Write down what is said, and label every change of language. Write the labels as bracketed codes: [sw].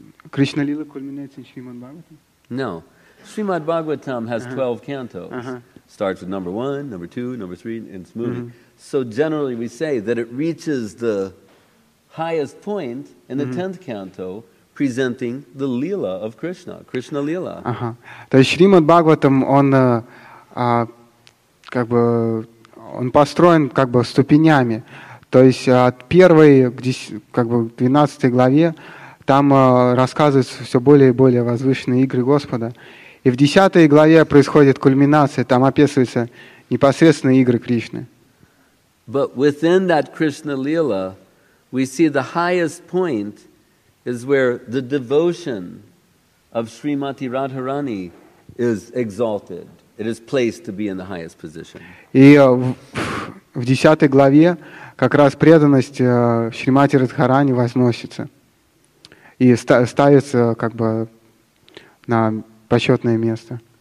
[ru] Кришна Лила кульминируется в Шримад Бхагаватам? [en] No. Srimad Bhagavatam has 12 cantos. Starts with number 1, number 2, number 3, and it's moving. Mm-hmm. So generally we say that it reaches the highest point in the 10th canto, presenting the Lila of Krishna, Krishna Lila. [ru] То есть Шримад Бхагаватам, он как бы он построен как бы ступенями. То есть от первой к как бы 12 главе там рассказываются все более и более возвышенные игры Господа. И в 10 главе происходит кульминация, там описываются непосредственно игры Кришны. [en] But within that Krishna Lila, we see the highest point is where the devotion of Srimati Radharani is exalted. It is placed to be in the highest position. [ru] И в 10 главе как раз преданность Шримати Радхарани возносится и ставится как бы на почетное место.